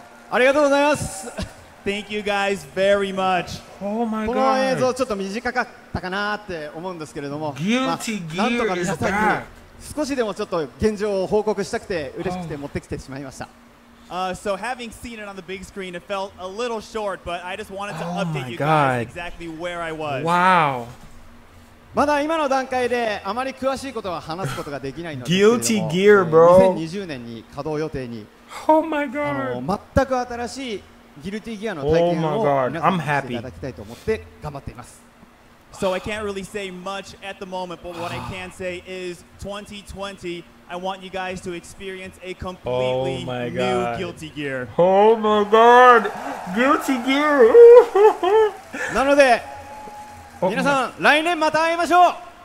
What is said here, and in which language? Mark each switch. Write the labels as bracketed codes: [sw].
[ja] ありがとうございます [en] Thank you guys very much! Oh my god! [ja] この映像ちょっと短かったかなって思うんですけれども [en] Guilty Gear is back! [ja] 少しでもちょっと現状を報告したくて嬉しくて持ってきてしまいました。 [en] So having seen it on the big screen, it felt a little short, but I just wanted to update you guys exactly where I was. Wow. [ja] まだ今の段階であまり詳しいことは話すことができないので、 [en] Guilty Gear, bro. [ja] 2020年に稼働予定に、 [en] Oh my God. [ja] 全く新しい Guilty Gear の体験を皆さんにしていただきたいと思って頑張っています。 [en] So I can't really say much at the moment, but what I can say is 2020, I want you guys to experience a completely new Guilty Gear. Oh my God! Guilty Gear! [ja] なので、皆さん、来年また会いましょう!